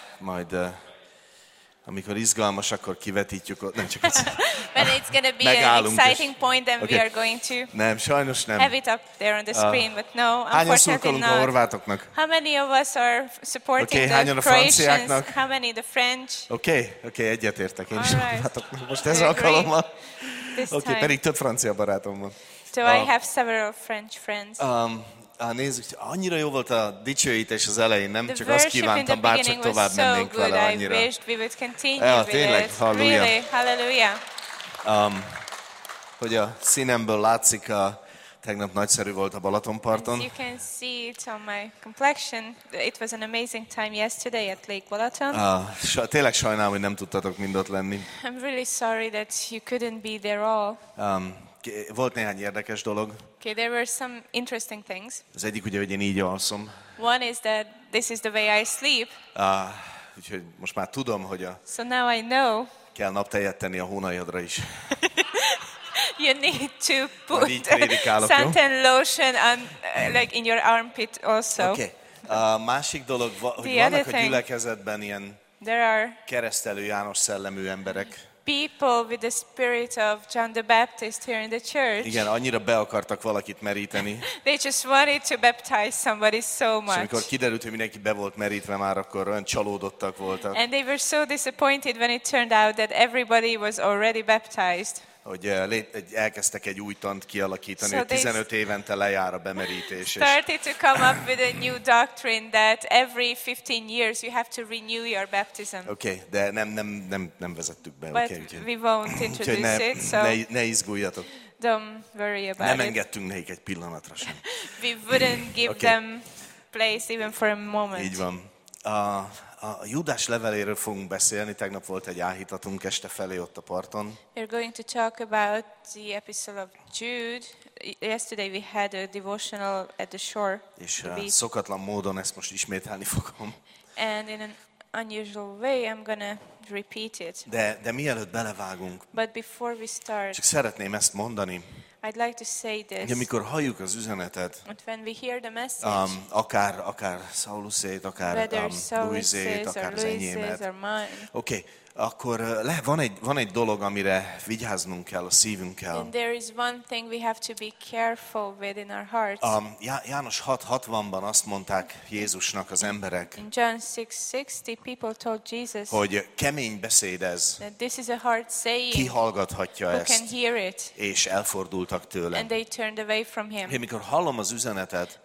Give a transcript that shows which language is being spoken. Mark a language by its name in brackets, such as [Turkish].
[Hungarian] Majd amikor izgalmas, akkor kivetítjük, nem csak ezt. [English] But it's going to be an exciting point and okay. We are going to. [Hungarian] Nem, sajnos nem. [English] Have it up there on the screen, but no, unfortunately not. [Hungarian] Hányan szurkolunk a horvátoknak? [English] How many of us are supporting okay, the [Hungarian] hányan [English] Croatians? [Hungarian] A franciáknak? [English] How many the French? [Hungarian] Okay, egyetértek én is a horvátoknak. Most ez alkalommal. Okay, pedig több francia barátom van. [English] So I have several French friends. [Hungarian] Nézzük, annyira jó volt a dicsőítés az elején, nem? Csak azt kívántam, bárcsak tovább mennénk vele annyira. Tényleg, halleluja. Halleluja. Hogy a színemből látszik, tegnap nagyszerű volt a Balatonparton. [English] You can see it on my complexion. It was an amazing time yesterday at Lake Balaton. [Hungarian] Tényleg sajnálom, hogy nem tudtatok mind ott lenni. [English] I'm really sorry that you couldn't be there all. [Hungarian] Volt néhány érdekes dolog. [English] Okay, there were some interesting things. [Hungarian] Az egyik ugye, hogy én így alszom. [English] One is that this is the way I sleep. [Hungarian] Úgyhogy most már tudom, hogy a... [English] So now I know. [Hungarian] Kell naptejet tenni a hónajadra is. [English] You need to put suntan lotion on, like in your armpit also. [Hungarian] Okay. A másik dolog, hogy vannak a gyülekezetben ilyen... [English] There are [Hungarian] keresztelő János szellemű emberek. [English] People with the spirit of John the Baptist here in the church. [Hungarian] Igen, annyira be akartak valakit meríteni. [English] They just wanted to baptize somebody so much. [Hungarian] És amikor kiderült, hogy mindenki be volt merítve már, akkor olyan csalódottak voltak. [English] And they were so disappointed when it turned out that everybody was already baptized. [Hungarian] Hogy elkezdtek egy új tant kialakítani, so 15 évente lejár a bemerítés. [English] Started to come up with a new doctrine that every 15 years you have to renew your baptism. [Hungarian] Okay, de nem vezettük be. [English] But okay, we won't introduce [Hungarian] ne, [English] it, so [Hungarian] ne izguljatok. [English] Don't worry about [Hungarian] nem engedtünk nekik egy pillanatra sem. [English] We wouldn't give okay. them place even for a moment. [Hungarian] Így van. A Júdás leveléről fogunk beszélni. Tegnap volt egy áhítatunk este felé ott a parton. [English] We're going to talk about the epistle of Jude. Yesterday we had a devotional at the shore. [Hungarian] És szokatlan módon ezt most ismételni fogom. [English] And in an unusual way I'm gonna repeat it. [Hungarian] De mielőtt belevágunk. [English] But before we start. [Hungarian] Csak szeretném ezt mondani. [English] I'd like to say this. [Hungarian] Ugye, amikor halljuk az üzenetet, [English] when we hear the message, [Hungarian] akár Saulusét, akár Luisét, akár az enyémet, okay, akkor van egy dolog, amire vigyáznunk kell a szívünkkel. [English] And there is one thing we have to be careful with in our hearts. [Hungarian] János 6:60-ban azt mondták Jézusnak az emberek. [English] In John 6:60, people told Jesus, [Hungarian] hogy kemény beszéd ez. [English] This is a hard saying. [Hungarian] Ki hallgathatja ezt? [English] Who can hear it? [Hungarian] És elfordultak tőle. [English] And they turned away from him. [Hungarian] Én mikor hallom az üzenetet,